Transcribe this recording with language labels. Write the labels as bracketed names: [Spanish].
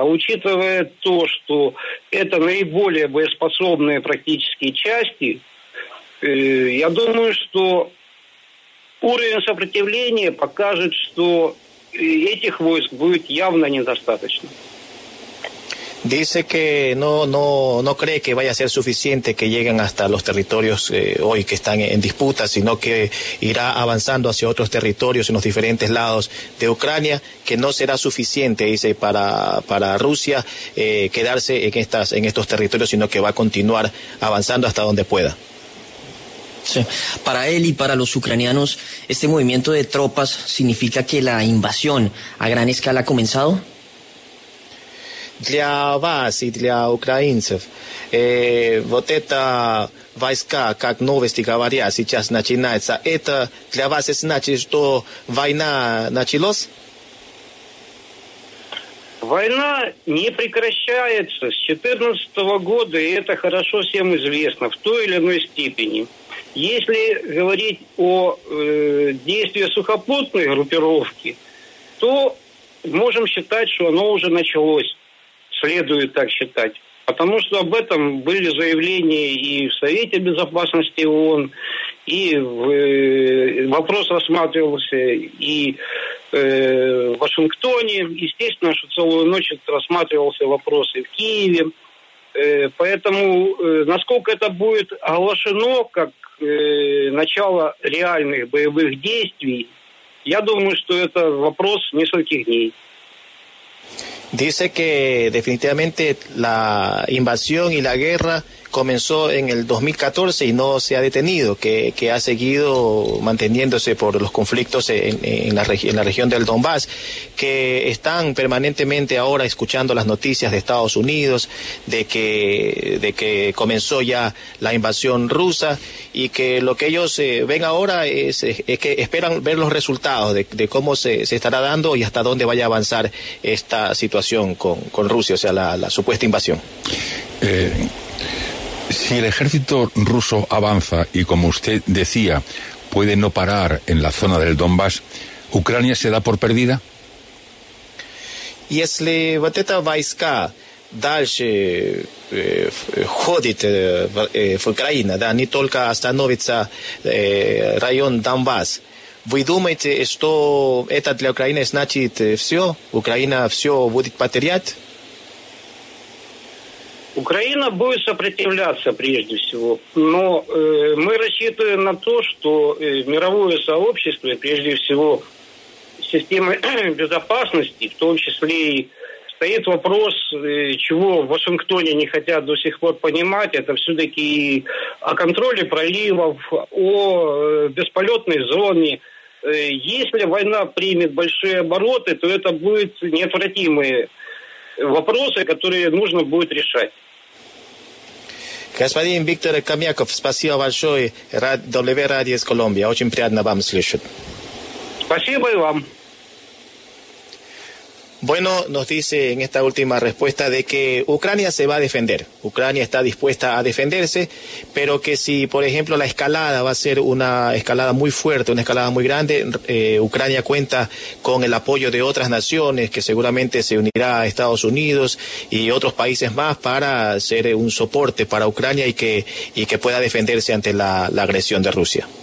[Russian] А учитывая то, что это наиболее боеспособные практические части, я думаю, что уровень сопротивления покажет, что этих войск будет явно недостаточно. [Spanish] Dice que no cree que vaya a ser suficiente que lleguen hasta los territorios hoy que están en disputa, sino que irá avanzando hacia otros territorios en los diferentes lados de Ucrania, que no será suficiente, dice, para Rusia quedarse en estos territorios, sino que va a continuar avanzando hasta donde pueda. Sí. Para él y para los ucranianos, ¿este movimiento de tropas significa que la invasión a gran escala ha comenzado? [Russian] Для вас и для украинцев вот это войска, как новости говорят, сейчас начинается. Это для вас значит, что война началась? Война не прекращается с 14-го года, и это хорошо всем известно, в той или иной степени. Если говорить о действии сухопутной группировки, то можем считать, что оно уже началось. Следует так считать, потому что об этом были заявления и в Совете Безопасности ООН, и вопрос рассматривался и в Вашингтоне. Естественно, что целую ночь рассматривался вопрос и в Киеве. Поэтому, насколько это будет оглашено как начало реальных боевых действий, я думаю, что это вопрос нескольких дней. [Spanish] Dice que definitivamente la invasión y la guerra comenzó en el 2014 y no se ha detenido, que ha seguido manteniéndose por los conflictos en la región del Donbass, que están permanentemente ahora escuchando las noticias de Estados Unidos de que comenzó ya la invasión rusa, y que lo que ellos ven ahora es que esperan ver los resultados de cómo se estará dando y hasta dónde vaya a avanzar esta situación con Rusia, o sea, la supuesta invasión. Si el ejército ruso avanza y, como usted decía, puede no parar en la zona del Donbass, ¿Ucrania se da por perdida? [Russian] Если вот эта войска дальше ходит в Украину, да, не только остановится район Донбасс, вы думаете, что это для Украины значит все? Украина все будет потерять? Украина будет сопротивляться прежде всего, но мы рассчитываем на то, что мировое сообщество и прежде всего система безопасности, в том числе и стоит вопрос, чего в Вашингтоне не хотят до сих пор понимать, это все-таки о контроле проливов, о бесполетной зоне. Если война примет большие обороты, то это будут неотвратимые вопросы, которые нужно будет решать. Господин Виктор Камьяков, спасибо большое. Радио Колумбия. Очень приятно вам слышать. Спасибо и вам. [Spanish] Bueno, nos dice en esta última respuesta de que Ucrania se va a defender. Ucrania está dispuesta a defenderse, pero que si, por ejemplo, la escalada va a ser una escalada muy fuerte, una escalada muy grande, Ucrania cuenta con el apoyo de otras naciones, que seguramente se unirá a Estados Unidos y otros países más para ser un soporte para Ucrania y que pueda defenderse ante la agresión de Rusia.